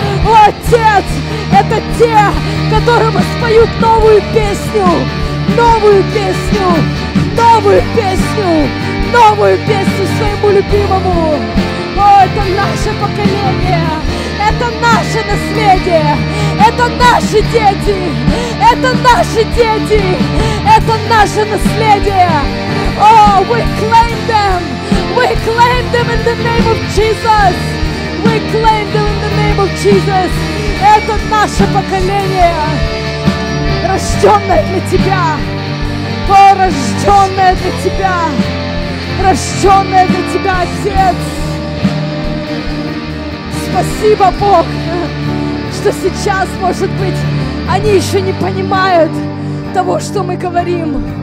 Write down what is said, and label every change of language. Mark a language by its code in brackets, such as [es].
[ru] О, Отец, это те, которым споют новую песню, новую песню, новую песню, новую песню своему любимому. О, это наше поколение, это наше наследие, это наши дети, это наши дети, это наше наследие. [en] О, we claim them in the name of Jesus, we claim them in the name of Jesus. [ru] Это наше поколение, рожденное для Тебя, порожденное для Тебя, рожденное для Тебя, Отец. Спасибо, Бог, что сейчас, может быть, они еще не понимают того, что мы говорим.